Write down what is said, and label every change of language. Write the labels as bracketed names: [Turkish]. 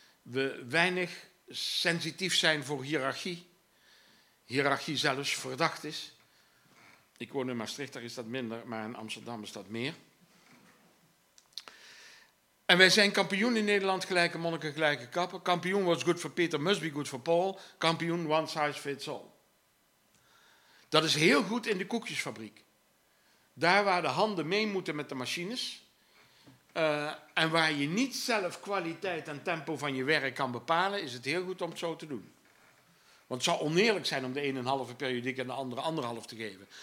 [Dutch] We weinig sensitief zijn voor hiërarchie. Hiërarchie zelfs verdacht is. Ik woon in Maastricht, daar is dat minder, maar in Amsterdam is dat meer. En wij zijn kampioen in Nederland, gelijke monniken, gelijke kappen. [English] Kampioen was good for Peter, must be good for Paul. Kampioen, one size fits all. [Dutch] Dat is heel goed in de koekjesfabriek. Daar waar de handen mee moeten met de machines. En waar je niet zelf kwaliteit en tempo van je werk kan bepalen, is het heel goed om het zo te doen. Want het zou oneerlijk zijn om de ene een halve periodiek en de andere anderhalf te geven.